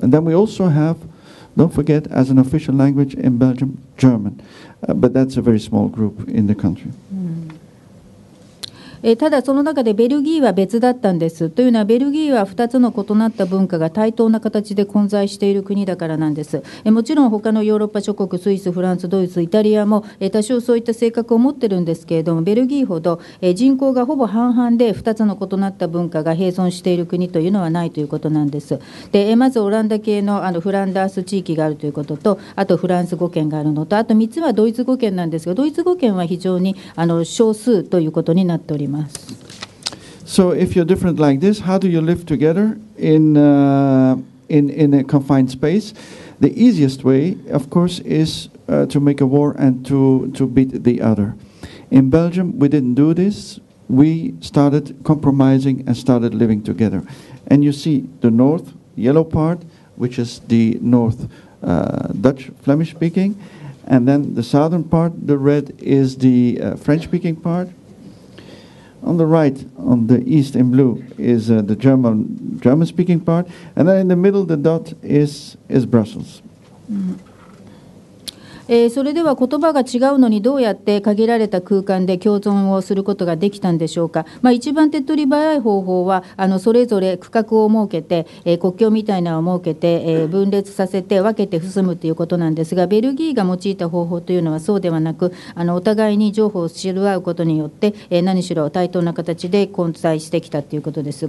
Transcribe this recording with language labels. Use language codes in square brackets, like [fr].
[en] And then we also have, don't forget, as an official language in Belgium, German. But that's a very small group in the country. [ja] ただその中でベルギーは別だったんですというのはベルギーは2つの異なった文化が対等な形で混在している国だからなんです。もちろん他のヨーロッパ諸国スイス、フランス、ドイツ、イタリアも多少そういった性格を持ってるんですけれども、ベルギーほど人口がほぼ半々で2つの異なった文化が併存している国というのはないということなんです。でまずオランダ系 の, あのフランダース地域があるということと、あとフランス語圏があるのと、あと3つはドイツ語圏なんですが、ドイツ語圏は非常にあの少数ということになっております。 [en] So if you're different like this, how do you live together in a confined space? The easiest way, of course, is to make a war and to beat the other. In Belgium, we didn't do this. We started compromising and started living together. And you see the north, yellow part, which is the north Dutch, Flemish speaking. And then the southern part, the red, is the French speaking part. On the right, on the east in blue, is the German speaking part. And then in the middle, the dot is Brussels. [ja] それでは言葉が違うのにどうやって限られた空間で共存をすることができたんでしょうか。まあ、一番手っ取り早い方法はあのそれぞれ区画を設けて、国境みたいなのを設けて、分裂させて分けて進むということなんですが、ベルギーが用いた方法というのはそうではなく、あのお互いに情報を知り合うことによって、何しろ対等な形で混在してきたということです。